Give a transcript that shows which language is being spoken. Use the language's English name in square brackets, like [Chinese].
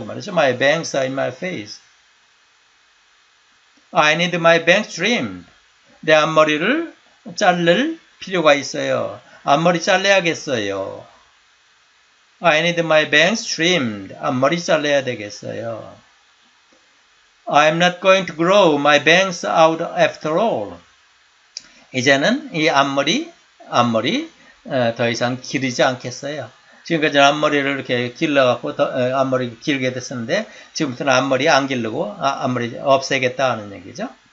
[Korean] 그 말이죠. [English] My bangs are in my face. I need my bangs trimmed. [Korean] 내 앞머리를 자를 필요가 있어요. 앞머리 잘라야겠어요. [English] I need my bangs trimmed. [Korean] 앞머리 잘라야 되겠어요. [English] I'm not going to grow my bangs out after all. [Korean] 이제는 이 앞머리 더 이상 기르지 않겠어요. 지금까지 앞머리를 이렇게 길러갖고 앞머리 길게 됐었는데 지금부터는 앞머리 안 길르고 앞머리 없애겠다 하는 얘기죠.